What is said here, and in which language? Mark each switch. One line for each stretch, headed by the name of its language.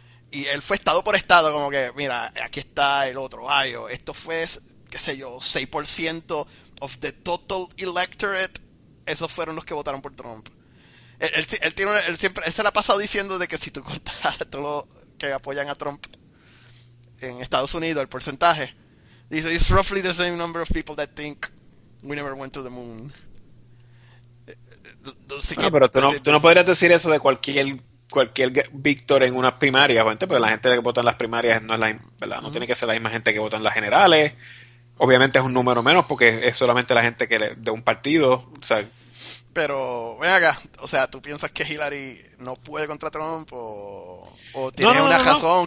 Spanish: Y él fue estado por estado, como que, mira, aquí está el otro, Ohio. Esto fue, qué sé yo, 6%
English: of the total electorate.
Spanish: Esos fueron los que votaron por Trump. Él se la ha pasado diciendo de que si tú contas a todos los que apoyan a Trump... en Estados Unidos, el porcentaje dice,
English: it's roughly the same number of people that think we never went to the moon.
Spanish: No, pero tú no podrías decir eso de cualquier victor en unas primarias, gente, porque la gente que vota en las primarias no es la verdad, no tiene que ser la misma gente que vota en las generales. Obviamente es un número menos porque es solamente la gente que de un partido, o sea. Pero, ven acá, o sea, ¿tú piensas que Hillary no puede contra Trump o tiene una razón.